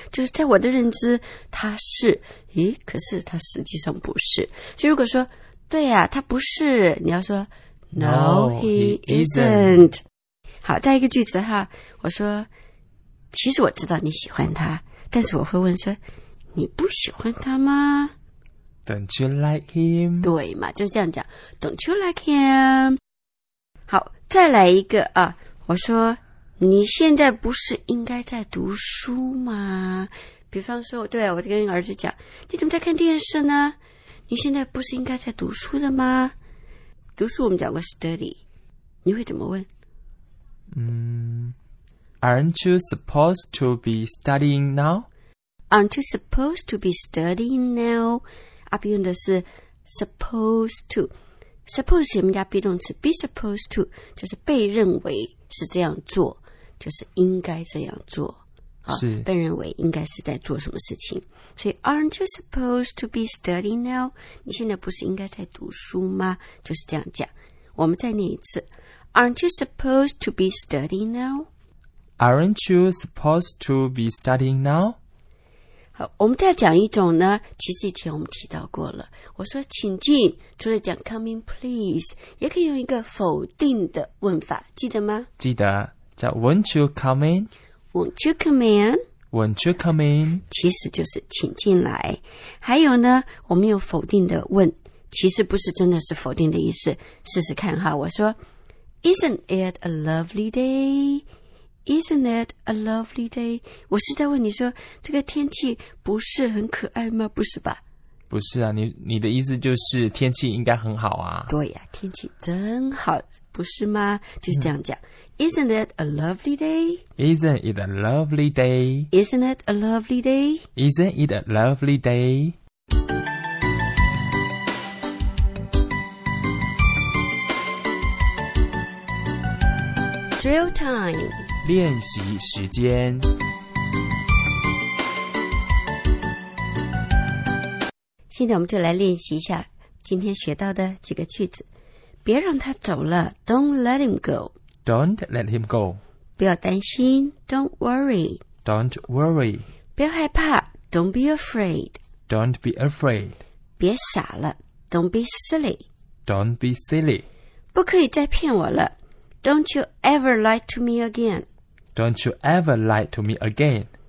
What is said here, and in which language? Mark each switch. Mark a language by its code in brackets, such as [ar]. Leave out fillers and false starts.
[zh] 就是在我的认知他是，诶，可是他实际上不是。所以如果说对啊，他不是，你要说 [en] No, he isn't。 [zh] 好，再一个句子哈，我说其实我知道你喜欢他，但是我会问说你不喜欢他吗？ [en] Don't you like him? [zh] 对嘛，就是这样讲， [en] Don't you like him? [zh] 好，再来一个啊，我说你现在不是应该在读书吗？比方说，对，我跟儿子讲，你怎么在看电视呢？你现在不是应该在读书的吗？读书我们讲过 study, 你会怎么问？ [en] Aren't you supposed to be studying now? Aren't you supposed to be studying now? [zh] 阿比用的是 supposed to. Suppose 前面加 be 动词 be supposed to, 就是被认为是这样做，就是应该这样做。是。被认为应该是在做什么事情。 [en] 所以 Aren't you supposed to be studying now? [zh] 你现在不是应该在读书吗？就是这样讲。我们再念一次。 [en] Aren't you supposed to be studying now? Aren't you supposed to be studying now? [zh] 好，我们再讲一种呢，其实以前我们提到过了。我说请进，除了讲 [en] come in please, [zh] 也可以用一个否定的问法，记得吗？记得，叫 [en] won't you come in? Won't you come in? Won't you come in? [zh] 其实就是请进来。还有呢，我们有否定的问，其实不是真的是否定的意思，试试看哈，我说 [en] Isn't it a lovely day? Isn't it a lovely day? [zh] 我是在问你说这个天气不是很可爱吗？不是吧？不是啊，你的意思就是天气应该很好啊。对呀，天气真好，不是吗？就是这样讲。 [en] Isn't it a lovely day? Isn't it a lovely day? Isn't it a lovely day? Isn't it a lovely day? Drill time, [zh] 练习时间。现在我们就来练习一下今天学到的几个句子。别让他走了， [en] Don't let him go. Don't let him go. [zh] 不要担心， [en] Don't worry. Don't worry. [zh] 不要害怕， [en] Don't be afraid. Don't be afraid. [zh] 别傻了， [en] Don't be silly. Don't be silly. [zh] 不可以再骗我了， [en] Don't you ever lie to me again. Don't you ever lie to me again.